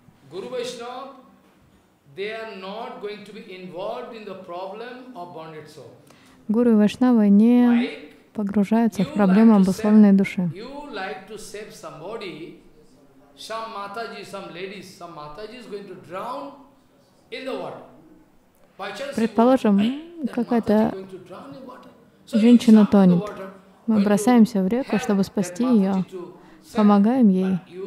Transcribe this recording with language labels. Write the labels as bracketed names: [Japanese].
[English] Гуру Вайшнав, they are not going to be involved in the problem of bonded soul. [Russian] Гуру и Вайшнавы не погружаются в проблему обусловленной души. [English] You like to save somebody, some Mataji, some ladies, some Mataji is going to drown in the water. [Russian] Предположим, какая-то женщина тонет. Мы бросаемся в реку, чтобы спасти ее, помогаем ей.